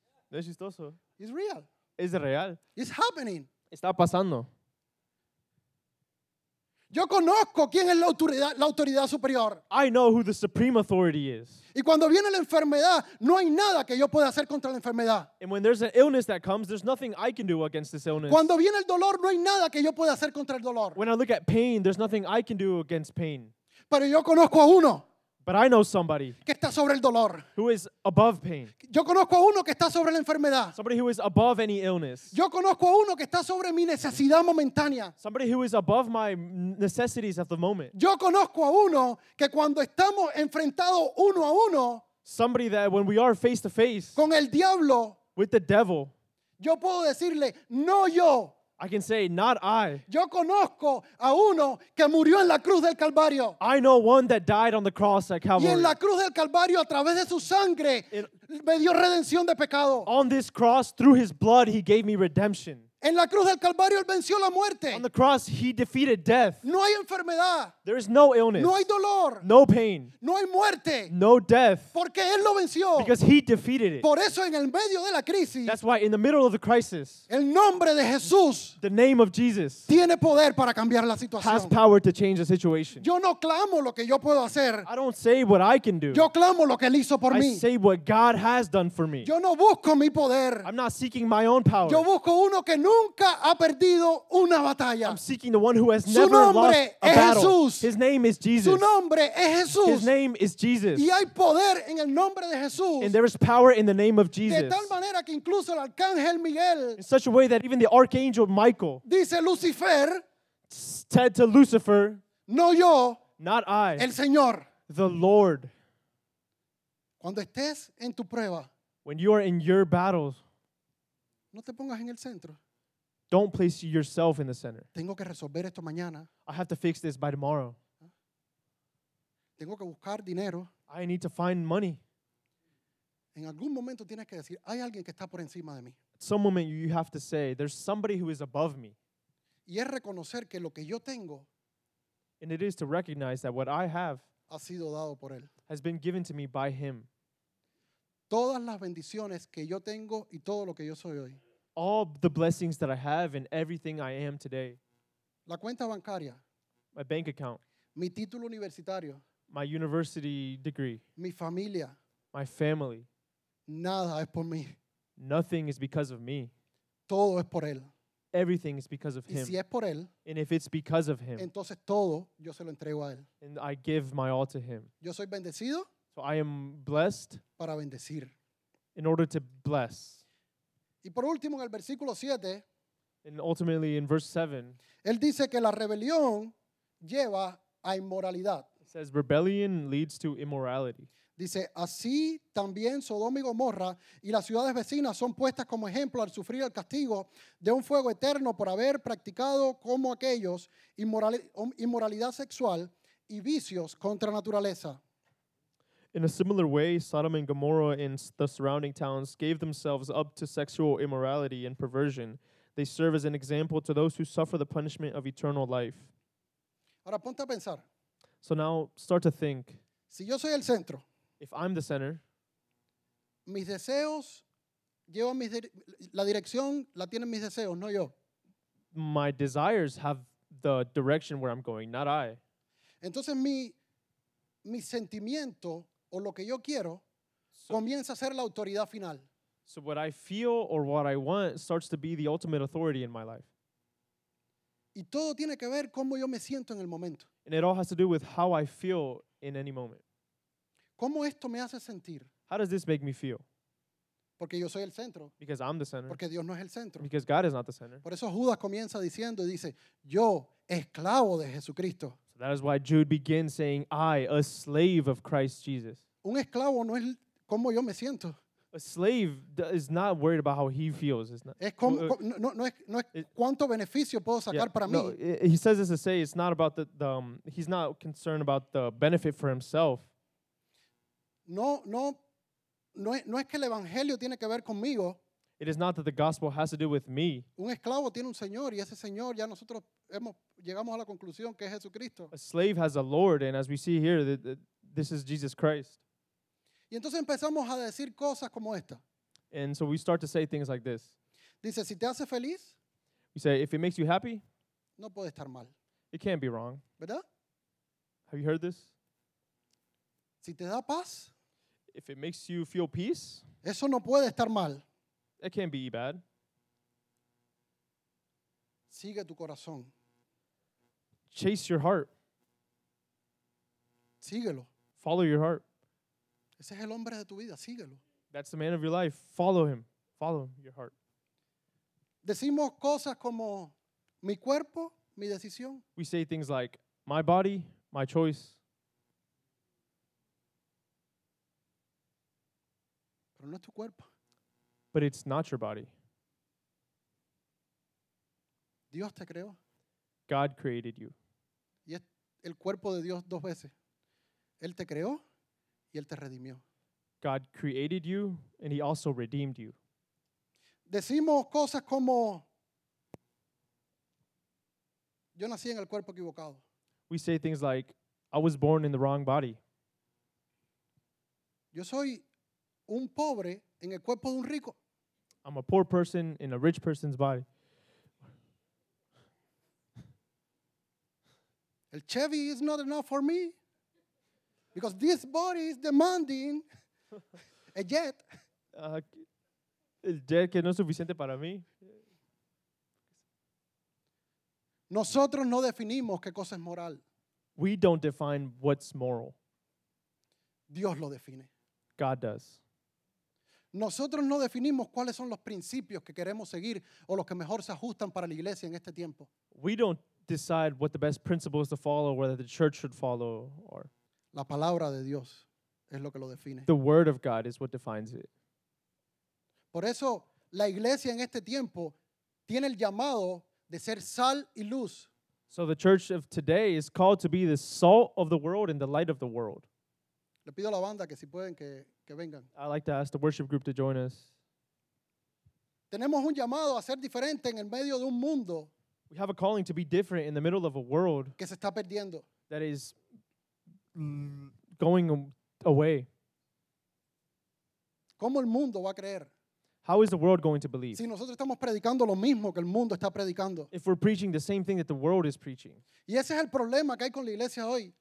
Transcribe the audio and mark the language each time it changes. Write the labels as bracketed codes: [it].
[es] No es chistoso. [en] It's real. [es] Es real. [en] It's happening. [es] Está pasando. Yo conozco quién es la autoridad superior. [en] I know who the supreme authority is. [es] Y cuando viene la enfermedad, no hay nada que yo pueda hacer contra la enfermedad. [en] And when there's an illness that comes, there's nothing I can do against this illness. [es] Cuando viene el dolor, no hay nada que yo pueda hacer contra el dolor. [en] When I look at pain, there's nothing I can do against pain. [es] Pero yo conozco a uno. [en] But I know somebody [es] que está sobre el dolor. [en] Who is above pain. [es] Yo conozco a uno que está sobre la enfermedad. [en] Somebody who is above any illness. [es] Yo conozco a uno que está sobre mi necesidad momentánea. [en] Somebody who is above my necessities at the moment. [es] Yo conozco a uno que cuando estamos enfrentados uno a uno, [en] somebody that when we are face to face [es] con el diablo, [en] with the devil, [es] yo puedo decirle, no yo. [en] I can say, not I. [es] Yo conozco a uno que murió en la cruz del Calvario. [en] I know one that died on the cross at Calvary. [es] Y en la cruz del Calvario, a través de su sangre, me dio redención de pecado. [en] On this cross, through his blood, he gave me redemption. [es] En la cruz del Calvario, él venció la muerte. [en] On the cross, he defeated death. [es] No hay enfermedad. [en] There is no illness. [es] No hay dolor. [en] No pain. [es] No hay muerte. [en] No death. [es] Porque él lo venció. [en] Because he defeated it. [es] Por eso, en el medio de la crisis, [en] that's why in the middle of the crisis, [es] el nombre de Jesús, [en] the name of Jesus, [es] tiene poder para cambiar la situación. [en] Has power to change the situation. [es] Yo no clamo lo que yo puedo hacer. [en] I don't say what I can do. [es] Yo clamo lo que él hizo por [en] I [es] mí. [en] I say what God has done for me. [es] Yo no busco mi poder. [en] I'm not seeking my own power. [es] Yo busco uno que nunca ha perdido una batalla. [en] I'm seeking the one who has never lost a battle. [es] Su nombre es Jesús. [en] His name is Jesus. [es] Su nombre es Jesús. [en] His name is Jesus. [es] Y hay poder en el nombre de Jesús. [en] And there is power in the name of Jesus. [es] De tal manera que incluso el arcángel Miguel, [en] in such a way that even the archangel Michael, [es] dice Lucifer, [en] said to Lucifer, [es] no yo, [en] not I, [es] el Señor, [en] the Lord. [es] Cuando estés en tu prueba, [en] when you are in your battles, [es] no te pongas en el centro. [en] Don't place yourself in the center. [es] Tengo que resolver esto mañana. [en] I have to fix this by tomorrow. [es] Tengo que buscar dinero. [en] I need to find money. [es] En algún momento tienes que decir, hay alguien que está por encima de mí. [en] At some moment you have to say, there's somebody who is above me. [es] Y es reconocer que lo que yo tengo, [en] and it is to recognize that what I have [es] ha sido dado por él, [en] has been given to me by him. [es] Todas las bendiciones que yo tengo y todo lo que yo soy hoy, [en] all the blessings that I have and everything I am today. [es] La cuenta bancaria. [en] My bank account. [es] Mi título universitario. [en] My university degree. [es] Mi familia. [en] My family. [es] Nada es por mí. [en] Nothing is because of me. [es] Todo es por él. [en] Everything is because of him. [es] Y si es por él, [en] and if it's because of him, [es] entonces todo yo se lo entrego a él. [en] And I give my all to him. [es] Yo soy bendecido. [en] So I am blessed. [es] Para bendecir. [en] In order to bless. [es] Y por último, en el versículo 7, [en] and ultimately in verse 7, [es] él dice que la rebelión lleva a inmoralidad. [en] It says rebellion leads to immorality. [es] Dice, así también Sodoma y Gomorra y las ciudades vecinas son puestas como ejemplo al sufrir el castigo de un fuego eterno por haber practicado como aquellos inmoralidad sexual y vicios contra naturaleza. [en] In a similar way, Sodom and Gomorrah and the surrounding towns gave themselves up to sexual immorality and perversion. They serve as an example to those who suffer the punishment of eternal life. [es] Ahora, ponte a pensar. [en] So now, start to think. [es] Si yo soy el centro, [en] if I'm the center, [es] mis deseos llevan mis la dirección la tienen mis deseos, no yo. [en] My desires have the direction where I'm going, not I. [es] Entonces, mi sentimiento o lo que yo quiero, comienza a ser la autoridad final. [en] So what I feel or what I want starts to be the ultimate authority in my life. [es] Y todo tiene que ver cómo yo me siento en el momento. [en] And it all has to do with how I feel in any moment. [es] ¿Cómo esto me hace sentir? [en] How does this make me feel? [es] Porque yo soy el centro. [en] Because I'm the center. [es] Porque Dios no es el centro. [en] Because God is not the center. [es] Por eso Judas comienza diciendo y dice, yo, esclavo de Jesucristo. [en] That is why Jude begins saying, I, a slave of Christ Jesus. [es] Un esclavo no es como yo me siento. [en] A slave is not worried about how he feels. It's not. [es] Es como, no es cuánto beneficio puedo sacar para mí. [en] He says this to say it's not about the he's not concerned about the benefit for himself. [es] No es que el evangelio tiene que ver conmigo. [en] It is not that the gospel has to do with me. [es] Un esclavo tiene un señor y ese señor ya nosotros hemos llegamos a la conclusión que es Jesucristo. [en] A slave has a lord, and as we see here, this is Jesus Christ. [es] Y entonces empezamos a decir cosas como esta. [en] And so we start to say things like this. [es] Dice, si te hace feliz. [en] We say, if it makes you happy. [es] No puede estar mal. [en] It can't be wrong. [es] ¿Verdad? [en] Have you heard this? [es] Si te da paz. [en] If it makes you feel peace. [es] Eso no puede estar mal. [en] It can't be bad. [es] Sigue tu corazón. [en] Chase your heart. [es] Síguelo. [en] Follow your heart. [es] Ese es el hombre de tu vida, síguelo. [en] That's the man of your life. Follow him. Follow your heart. [es] Decimos cosas como mi cuerpo, mi decisión. [en] We say things like my body, my choice. [es] Pero no es tu cuerpo. [en] But it's not your body. [es] Dios te creó. [en] God created you. [es] Y es el cuerpo de Dios dos veces. Él te creó. Y él te redimió. [en] God created you, and he also redeemed you. [es] Decimos cosas como, yo nací en el cuerpo equivocado. [en] We say things like, I was born in the wrong body. [es] Yo soy un pobre en el cuerpo de un rico. [en] I'm a poor person in a rich person's body. El Chevy is not enough for me. Because this body is demanding a jet. [es] El jet que no es suficiente para mí. Nosotros no definimos qué cosa es moral. [en] We don't define what's moral. [es] Dios lo define. [en] God does. [es] Nosotros no definimos cuáles son los principios que queremos seguir o los que mejor se ajustan para la iglesia en este tiempo. [en] We don't decide what the best principles to follow, whether the church should follow or... [es] La palabra de Dios es lo que lo define. [en] The word of God is what defines it. [es] Por eso la iglesia en este tiempo tiene el llamado de ser sal y luz. [en] So the church of today is called to be the salt of the world and the light of the world. [es] Le pido a la banda que si pueden que vengan. [en] I'd like to ask the worship group to join us. [es] Tenemos un llamado a ser diferente en el medio de un mundo. [en] We have a calling to be different in the middle of a world [es] que se está perdiendo. [en] That is going away. [es] ¿Cómo el mundo va a creer? [en] How is the world going to believe? [es] Si nosotros estamos predicando lo mismo que el mundo está predicando. [en] If we're preaching the same thing that the world is preaching. [es] Y ese es el problema que hay con la iglesia hoy.